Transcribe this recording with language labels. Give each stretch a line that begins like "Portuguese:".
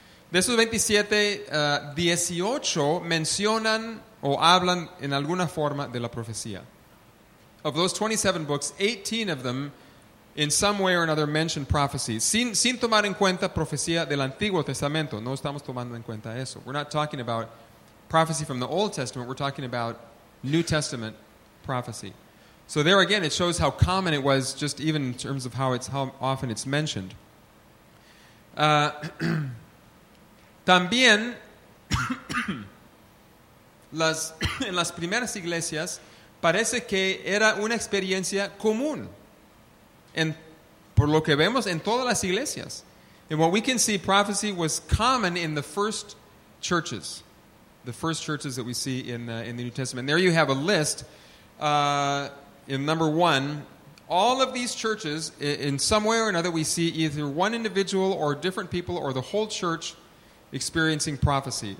Spanish: De esos 27, 18 mencionan o hablan en alguna forma de la profecía. Of those 27 books, 18 of them in some way or another mention prophecy. Sin tomar en cuenta profecía del Antiguo Testamento. No estamos tomando en cuenta eso.
English: We're not talking about prophecy from the Old Testament. We're talking about New Testament prophecy. So there again, it shows how common it was, just even in terms of how often it's mentioned.
Spanish: También, en las primeras iglesias, parece que era una experiencia común. Por lo que vemos en todas las iglesias.
English: And what we can see, prophecy was common in the first churches. The first churches that we see in the New Testament. There you have a list. In number one, all of these churches, in some way or another, we see either one individual or different people or the whole church experiencing prophecy.